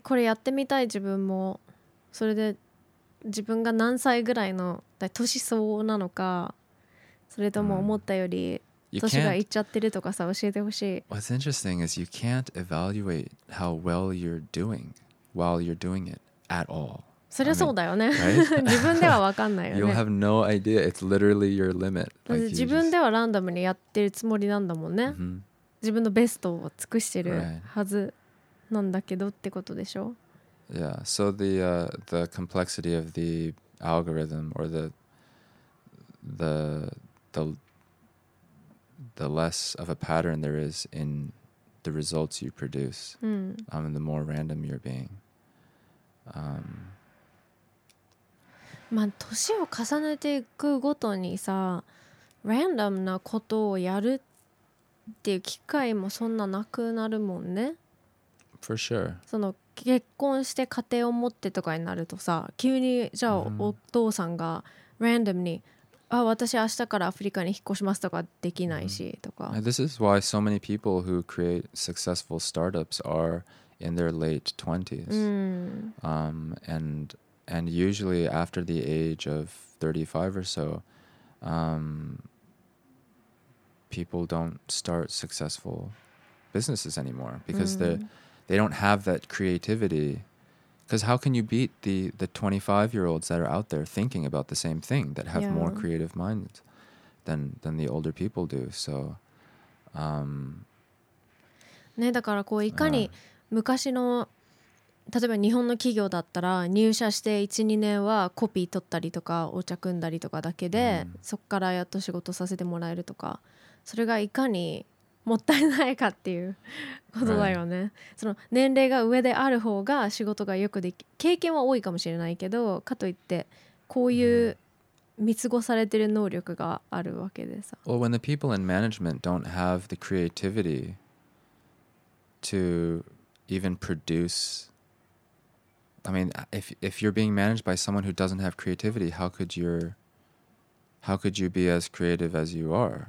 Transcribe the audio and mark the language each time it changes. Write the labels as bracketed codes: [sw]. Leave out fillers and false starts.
[ja] これやってみたい自分も。それで自分が何歳ぐらいの年相応なのか、それとも思ったより年がいっちゃってるとかさ、教えてほしい。 [en] What's interesting is you can't evaluate how well you're doing while you're doing it at all. [ja] そりゃそうだよね。自分ではわかんないよね。 [en] You'll have no idea. It's literally your limit. [ja] 自分ではランダムにやってるつもりなんだもんね。 Mm-hmm. 自分のベストを尽くしてるはずなんだけどってことでしょ。 [en] Yeah. So the complexity of the algorithm or the less of a pattern there is in the results you produce, the more random you're being. [ja] まあ年を重ねていくごとにさ、ランダムなことをやるっていう機会もそんななくなるもんね。 [en] for sure. [ja] その結婚して家庭を持ってとかになるとさ、急にじゃあ、mm-hmm. お父さんがランダムに、あ、私明日からアフリカに引っ越しますとかできないし、mm-hmm. とか。 [en] This is why so many people who create successful startups are in their late 20s. Mm-hmm. And usually after the age of 35 or so, people don't start successful businesses anymore because mm-hmm. they don't have that creativity. Because how can you beat the 25-year-olds that are out there thinking about the same thing that have yeah. more creative minds than the older people do? So, [ja] ね、だからこういかに昔の、例えば日本の企業だったら入社して 1,2 年はコピー取ったりとかお茶組んだりとかだけで、mm. そこからやっと仕事させてもらえるとか、それがいかにもったいないかっていうことだよね、right. その年齢が上である方が仕事がよくでき、経験は多いかもしれないけど、かといってこういう見過ごされてる能力があるわけでさ、 [en] well, when the people in management don't have the creativity to even produce, I mean, if you're being managed by someone who doesn't have creativity, how could you be as creative as you are?